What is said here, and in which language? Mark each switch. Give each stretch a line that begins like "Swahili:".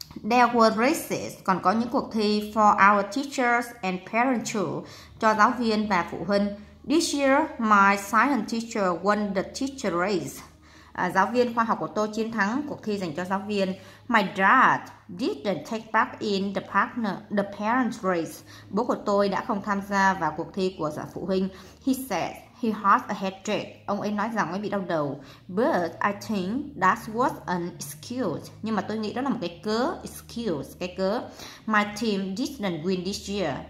English: There were races,
Vietnamese: còn có những cuộc thi
English: for our teachers and parents too,
Vietnamese: cho giáo viên và phụ huynh.
English: This year my science teacher won the teacher race.
Vietnamese: Giáo viên khoa học của tôi chiến thắng cuộc thi dành cho giáo viên.
English: My dad didn't take part in the parents race.
Vietnamese: Bố của tôi đã không tham gia vào cuộc thi của giả phụ huynh.
English: He said he has a headache.
Vietnamese: Ông ấy nói rằng ông ấy bị đau đầu.
English: But I think that was an excuse.
Vietnamese: Nhưng mà tôi nghĩ đó là một cái cớ. Excuse, cái cớ.
English: My team didn't win this year.